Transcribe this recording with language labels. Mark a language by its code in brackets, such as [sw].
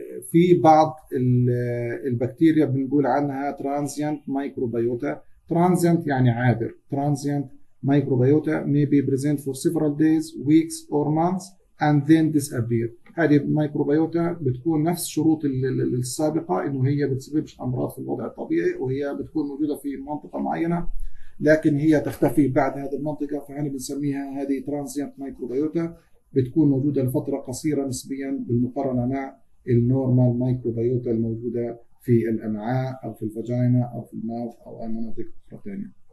[ar] في بعض البكتيريا بنقول عنها transient microbiota. transient يعني عابر. [en] transient microbiota may be present for several days, weeks or months and then disappear. [ar] هذه الميكروبيوتا بتكون نفس شروط السابقة، انه هي بتسببش امراض في الوضع الطبيعي، وهي بتكون موجودة في منطقة معينة لكن هي تختفي بعد هذه المنطقة، فهنا بنسميها هذه transient microbiota، بتكون موجودة لفترة قصيرة نسبيا بالمقارنة مع النورمال مايكروبيوتا الموجودة في الأمعاء أو في الفاجينا أو في الماوث أو أي مناطق أخرى تانية.